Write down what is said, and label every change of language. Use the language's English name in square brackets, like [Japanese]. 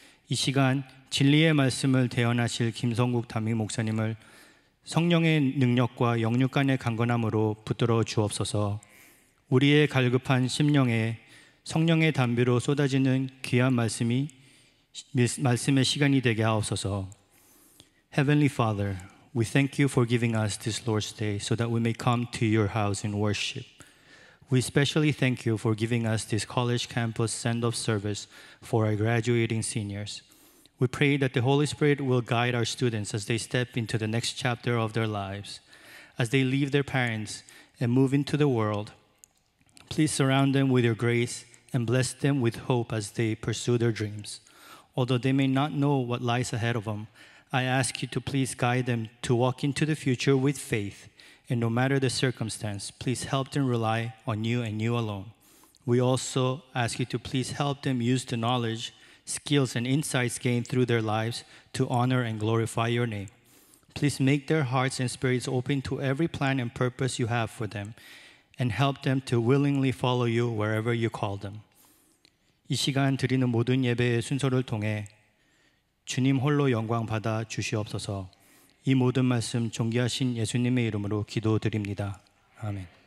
[Korean] 이 시간 진리의 말씀을 대언하실 김성국 담임 목사님을 성령의 능력과 영육간의 강건함으로 붙들어 주옵소서. 우리의 갈급한 심령에 성령의 담비로 쏟아지는 귀한 말씀의 시간이 되게 하옵소서. [English] Heavenly Father, we thank you for giving us this Lord's Day so that we may come to your house in worship. We especially thank you for giving us this college campus send-off service for our graduating seniors. We pray that the Holy Spirit will guide our students as they step into the next chapter of their lives. As they leave their parents and move into the world, please surround them with your grace and bless them with hope as they pursue their dreams. Although they may not know what lies ahead of them, I ask you to please guide them to walk into the future with faith. And no matter the circumstance, please help them rely on you and you alone. We also ask you to please help them use the knowledge, skills, and insights gained through their lives to honor and glorify your name. Please make their hearts and spirits open to every plan and purpose you have for them, and help them to willingly follow you wherever you call them. [Korean] 이 시간 드리는 모든 예배의 순서를 통해 주님 홀로 영광 받아 주시옵소서. 이 모든 말씀 존귀하신 예수님의 이름으로 기도드립니다. 아멘.